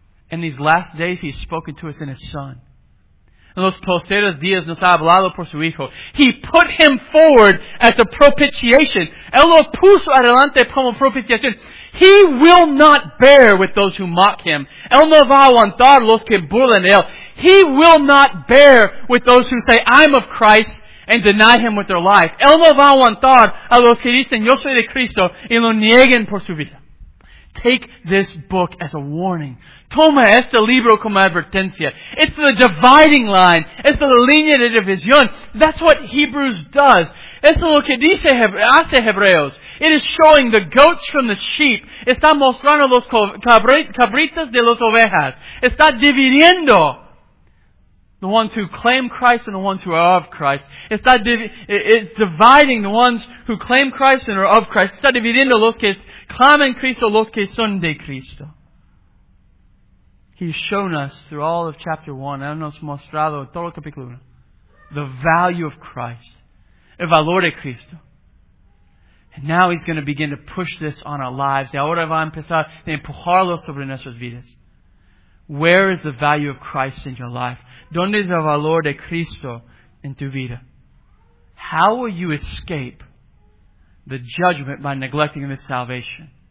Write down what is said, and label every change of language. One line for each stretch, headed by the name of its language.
English: In these last days he's spoken to us in his son.
Spanish: En los posteros días nos ha hablado por su hijo.
English: He put him forward as a propitiation.
Spanish: Él lo puso adelante como propiciación.
English: He will not bear with those who mock him.
Spanish: Él no va a aguantar los que burlan de él.
English: He will not bear with those who say, I'm of Christ, and deny him with their life.
Spanish: Él no va a aguantar a los que dicen, yo soy de Cristo, y lo nieguen por su vida.
English: Take this book as a warning.
Spanish: Toma este libro como advertencia.
English: It's the dividing line. It's the
Spanish: línea de división.
English: That's what Hebrews does.
Spanish: Eso es lo que dice Hebreos.
English: It is showing the goats from the sheep.
Spanish: Está mostrando los cabritas de las ovejas. Está dividiendo
English: the ones who claim Christ and the ones who are of Christ. It's dividing the ones who claim Christ and are of Christ.
Spanish: Está dividiendo los que claman Cristo, los que son de Cristo.
English: He's shown us through all of chapter 1,
Spanish: él nos mostrado todo el capítulo 1,
English: the value of Christ,
Spanish: el valor de Cristo.
English: And now he's going to begin to push this on our lives.
Spanish: Y ahora va a empezar a empujarlo sobre nuestras vidas.
English: Where is the value of Christ in your life?
Spanish: ¿Dónde es el valor de Cristo en tu vida?
English: How will you escape the judgment by neglecting this salvation?